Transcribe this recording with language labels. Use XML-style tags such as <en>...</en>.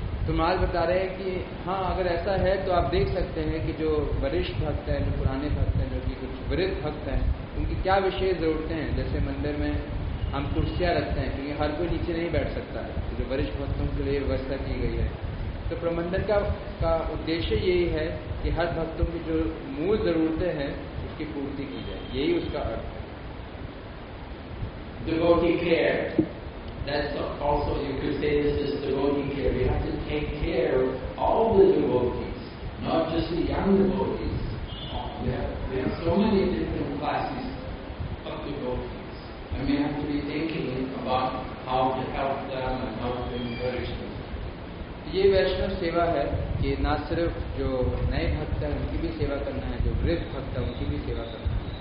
<hi>तुम आज बता रहे हैं कि हाँ अगर ऐसा है तो आप देख सकते हैं कि जो वरिष्ठ भक्त हैं, जो पुराने भक्त हैं, जो कि कुछ वृद्ध भक्त हैं, उनकी क्या विशेष जरूरतें हैं. जैसे मंदिर में हम कुर्सियाँ रखते हैं क्योंकि हर कोई नीचे नहीं बैठ सकता है, जो वरिष्ठ भक्तों के लिए व्यवस्था की गई है। तो प्रबंधन का उद्देश्य यही है कि हर भक्तों की जो मूल जरूरतें हैं उसकी पूर्ति की जाए, यही उसका अर्थ है।</hi> <en>Devotee care, that's also you could say this is devotee care. We have to take care of all the devotees, not just the young devotees. There are so many different classes of devotees, and we have to be thinking about how to help them and how to encourage them.</en> <hi>ये वैष्णव सेवा है कि ना सिर्फ जो नए भक्त हैं उनकी भी सेवा करना है, जो वृद्ध भक्त हैं उनकी भी सेवा करना है।</hi>